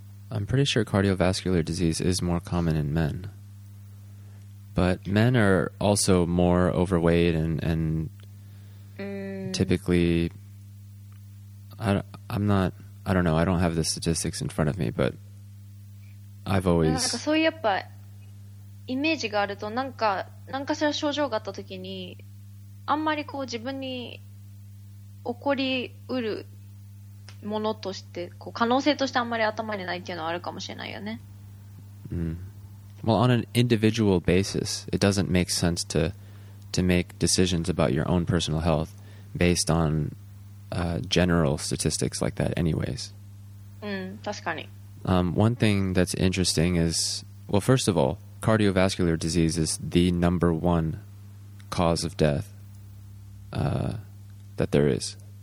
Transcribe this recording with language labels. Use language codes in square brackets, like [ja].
[en] I'm pretty sure cardiovascular disease is more common in men. But men are also more overweight and typically. I don't know. I don't have the statistics in front of me, but I've always. [ja] なんかそういうやっぱイメージがあるとなんかなんかしら症状があったときにあんまりこう自分に起こりうるものとしてこう可能性としてあんまり頭にないっていうのはあるかもしれないよね。 [en] Well, on an individual basis, it doesn't make sense to make decisions about your own personal health based on general statistics like that anyways. One thing that's interesting is, well, first of all, cardiovascular disease is the number one cause of death that there is.